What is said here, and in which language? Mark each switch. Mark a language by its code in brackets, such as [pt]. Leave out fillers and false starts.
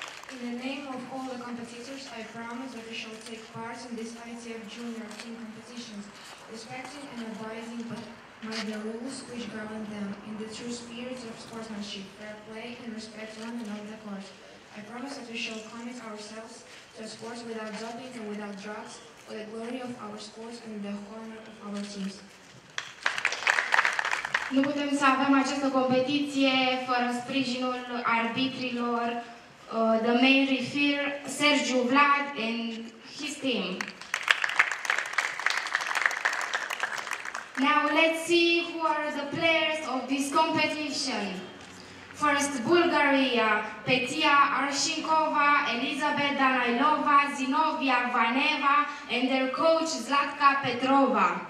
[en] In the name of all the competitors, I promise that we shall take part in these ITF junior team competitions, respecting and abiding by the rules which govern them, in the true spirit of sportsmanship, fair play, and respect one another course. I promise that we shall commit ourselves to sports without doping and without drugs, for the glory of our sports and the honor of our teams. [ro] Nu putem să avem această competiție fără sprijinul arbitrilor, [en] the main referee, Sergiu Vlad and his team. Now let's see who are the players of this competition. First, Bulgaria, Petia Arshinkova, Elizabeth Danailova, Zinovia Vaneva and their coach Zlatka Petrova.